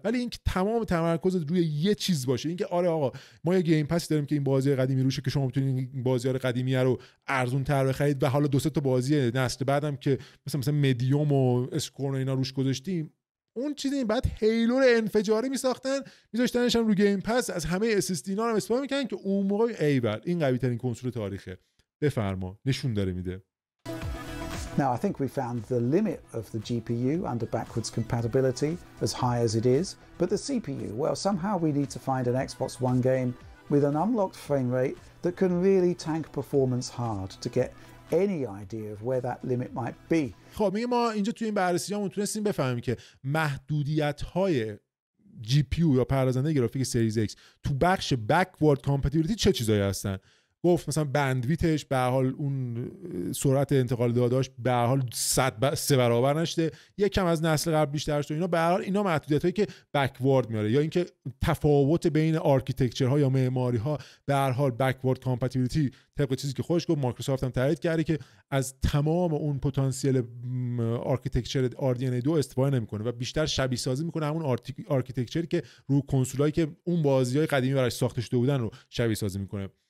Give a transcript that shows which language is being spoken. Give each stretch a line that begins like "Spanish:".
Persian: ولی اینکه تمام تمرکزت روی یه چیز باشه، اینکه آره آقا ما یه گیم پس داریم که این بازی قدیمی روشه که شما میتونید این بازی رو قدیمی رو ارزون تر بخرید و حالا دو سه تا بازی نسل بعدم که مثلا مدیوم و اسکورن اینا روش گذاشتیم، اون چیزی بعد هیلو رو انفجاری میساختن میذاشتنش هم رو گیم پس، از همه اس اس دی اینا هم استفاده میکنن که اون موقع ایول این قوی ترین کنسول تاریخه. بفرما نشون داره میده.
English: Now I think we found the limit of the GPU under backwards compatibility as high as it is, but the CPU, well somehow we need to find an Xbox One game with an unlocked frame rate that can really tank performance hard to get any idea of where that limit might be.
Persian: خب میگه ما اینجا توی این بررسیامون تونستیم بفهمیم که محدودیت های GPU یا پردازنده گرافیک سریز X تو بخش backward compatibility چه چیزایی هستن. گفت مثلا بندویتش به حال اون سرعت انتقال داداش به حال 3 برابر نشده، یکم از نسل قبل بیشتر شده، اینا به حال اینا محدودیتایی که بکورد میاره، یا اینکه تفاوت بین آرکیتکچرها یا معماریها به هر حال بکورد کامپتیبیلیتی طبق چیزی که خودش گفت، مایکروسافت هم تایید کرده که از تمام اون پتانسیل آرکیتکچر RDNA 2 استفاده نمیکنه و بیشتر شبیه سازی میکنه همون آرکیتکچری که رو کنسولایی که اون بازیهای قدیمی براش ساخته شده بودن رو شبیه سازی میکنه.